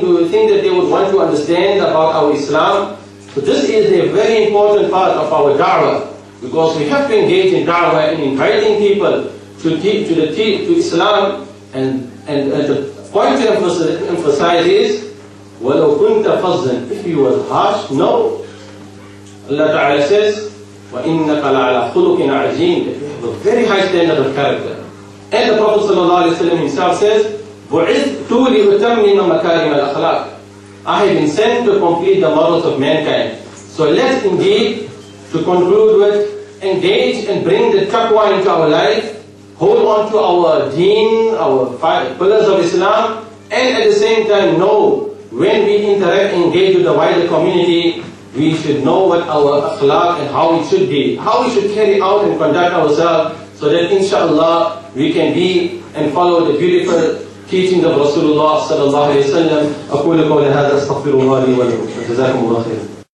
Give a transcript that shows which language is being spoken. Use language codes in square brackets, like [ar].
[en] Do you think that they would want to understand about our Islam? So this is a very important part of our da'wah. Because we have to engage in da'wah and inviting people to Islam. And the point to emphasize is, [ar] وَلَوْ كُنْتَ فَظًّا. [en] If you were harsh, no. Allah Ta'ala says, [ar] وَإِنَّكَ لَعَلَى خُلُقٍ عَجِيمٍ. [en] That you have a very high standard of character. And the Prophet sallallahu alaihi wasallam himself says, [ar] "Bu'ithtu li utammima makarim al-akhlaq." [en] I have been sent to complete the morals of mankind. So let's indeed, to conclude with, engage and bring the taqwa into our life, hold on to our deen, our five pillars of Islam, and at the same time know, when we interact and engage with the wider community, we should know what our akhlaq and how it should be, how we should carry out and conduct ourselves, so that inshallah we can be and follow the beautiful teachings of Rasulullah sallallahu alaihi wasallam. [ar] أقول قول هذا استغفر الله لي ولكم جزاكم الله خيرا.